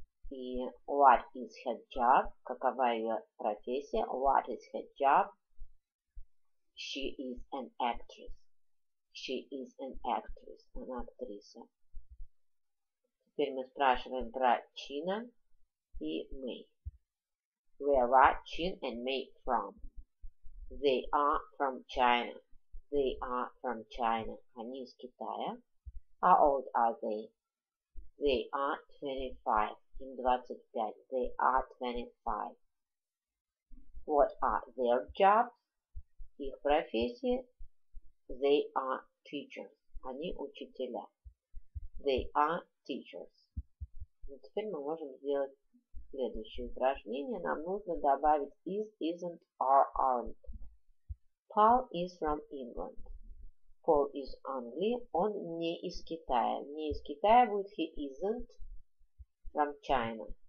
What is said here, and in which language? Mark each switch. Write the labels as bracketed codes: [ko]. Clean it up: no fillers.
[ru] И [en] what is her job? [ru] Какова ее профессия? [en] What is her job? She is an actress. She is an actress. [ru] Она актриса. Теперь мы спрашиваем про Чина и Мэй. [en] Where are Chin and May from? They are from China. They are from China. [ru] Они из Китая. [en] How old are they? They are 25. [ru] Им 25. [en] They are 25. What are their jobs? [ru] Их профессии. [en] They are teachers. [ru] Они учителя. [en] They are teachers. [ru] И теперь мы можем сделать следующее упражнение. Нам нужно добавить [en] is, isn't, are, aren't. Paul is from England. [ru] Paul [en] is [ru] Англии. Он не из Китая. Не из Китая будет [en] he isn't from China.